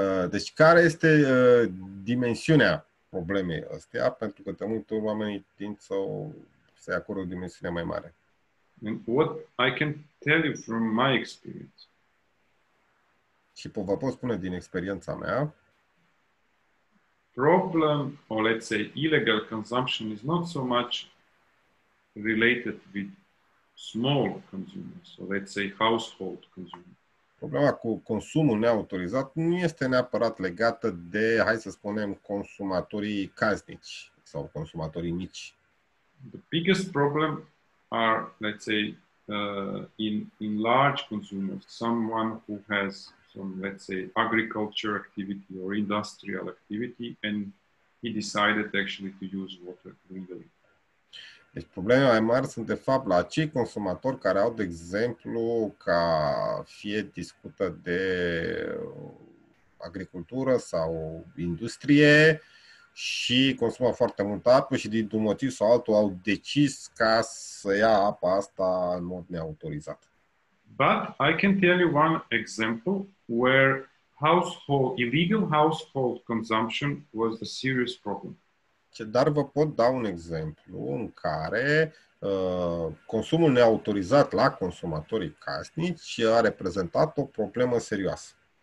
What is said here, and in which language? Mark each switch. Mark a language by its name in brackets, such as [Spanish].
[Romanian] Deci care este dimensiunea problemei astea, pentru că de multe ori oamenii tind să se acordă o dimensiune mai mare. [English] And what I can tell you from my experience. [Romanian] Și vă pot spune din experiența mea. [English] Problem, or let's say illegal consumption, is not so much related with small consumers, or let's say household consumers. [Romanian] Problema cu consumul neautorizat nu este neapărat legată de, hai să spunem, consumatorii casnici sau consumatorii mici. [English] The biggest problem are, let's say, in large consumers, someone who has some, let's say, agriculture activity or industrial activity, and he decided actually to use water legally. [Romanian] Deci probleme mai mari sunt de fapt la cei consumatori care au, de exemplu, ca fie discută de agricultură sau industrie și consumă foarte multă apă și dintr-un motiv sau altul au decis ca să ia apa asta în mod neautorizat. [English] But I can tell you one example where household, illegal household consumption was a serious problem. [Romanian] Dar vă pot da un exemplu în care consumul neautorizat la consumatorii casnici a reprezentat o problemă serioasă.